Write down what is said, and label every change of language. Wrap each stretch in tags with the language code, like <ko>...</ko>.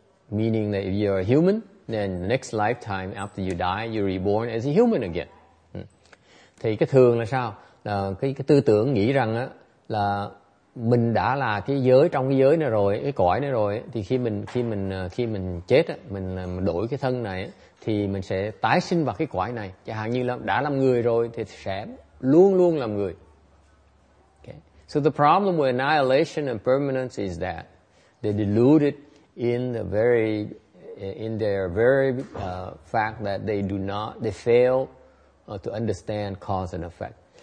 <en>Meaning that if you are a human, then the next lifetime after you die, you're reborn as a human again.</en> <vi>Thì cái thường là sao? Là cái tư tưởng nghĩ rằng á, là mình đã là cái giới, trong cái giới này rồi, cái cõi này rồi, thì khi mình chết á, mình đổi cái thân này á, thì mình sẽ tái sinh vào cái cõi này. Chẳng hạn như là đã làm người rồi thì sẽ luôn luôn làm người.</vi> <en>Okay. So the problem with annihilation and permanence is that they deluded in their very fact that they fail to understand cause and effect.</en>